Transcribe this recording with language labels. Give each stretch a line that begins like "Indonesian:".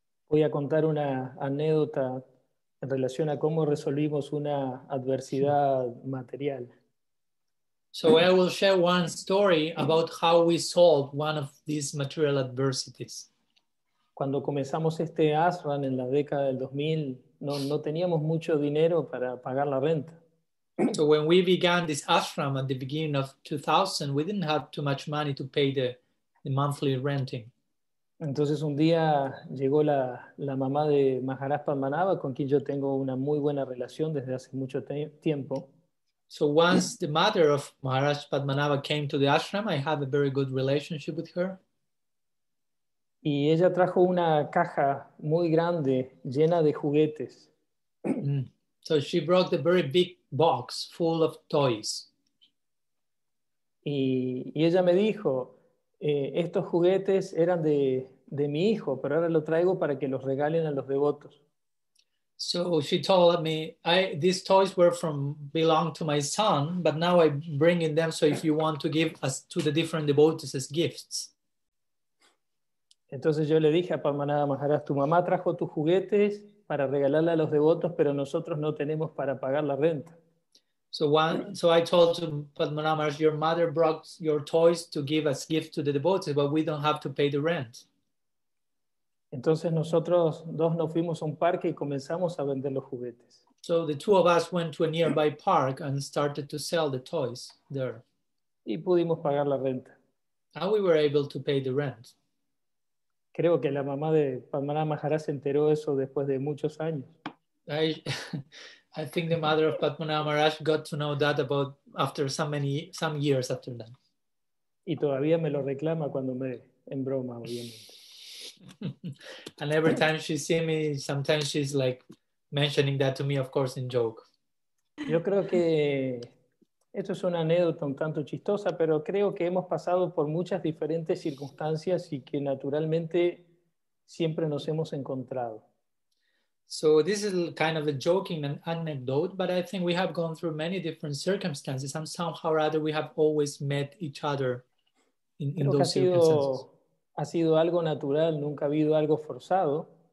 Spanish: Voy a contar una anécdota en relación a cómo resolvimos una adversidad sí. material.
English: So I will share one story about how we solved one of these material adversities.
Spanish: Cuando comenzamos este ashram en la década del 2000, no teníamos mucho dinero para pagar la renta.
English: So when we began this ashram at the beginning of 2000, we didn't have too much money to pay the monthly renting.
Spanish: Entonces un día llegó la mamá de Maharaj Padmanabha, con quien yo tengo una muy buena relación desde hace mucho tiempo.
English: So once the mother of Maharaj Padmanabha came to the ashram, I had a very good relationship with her.
Spanish: Y ella trajo una caja muy grande llena de juguetes.
English: So she brought a very big box full of toys.
Spanish: Y ella me dijo, estos juguetes eran de mi hijo, pero ahora lo traigo para que los regalen a los devotos.
English: So she told me, these toys were from belong to my son, but now I'm bringing them. So if you want to give us to the different devotees as gifts.
Spanish: Entonces yo le dije a Padmanabha Maharaj, tu mamá trajo tus juguetes para regalarle a los devotos, pero nosotros no tenemos para pagar la renta.
English: So I told to Padmanabha Maharaj, your mother brought your toys to give as gift to the devotees, but we don't have to pay the rent.
Spanish: Entonces nosotros dos nos fuimos a un parque y comenzamos a vender los juguetes.
English: So the two of us went to a nearby park and started to sell the toys there.
Spanish: Y pudimos pagar la renta.
English: And we were able to pay the rent.
Spanish: Creo que la mamá de Padmanabha Maharaj se enteró eso después de muchos años.
English: I think the mother of Padmanabha Maharaj got to know that about after some years after that.
Spanish: Y todavía me lo reclama cuando me en broma obviamente.
English: And every time she sees me, sometimes she's like mentioning that to me, of course, in joke.
Spanish: Yo creo que esto es una anécdota un tanto chistosa, pero creo que hemos pasado por muchas diferentes circunstancias y que naturalmente siempre nos hemos encontrado.
English: So this is kind of a joking and anecdote, but I think we have gone through many different circumstances and somehow or other we have always met each other in those circumstances.
Spanish: Ha sido algo natural, nunca ha habido algo forzado.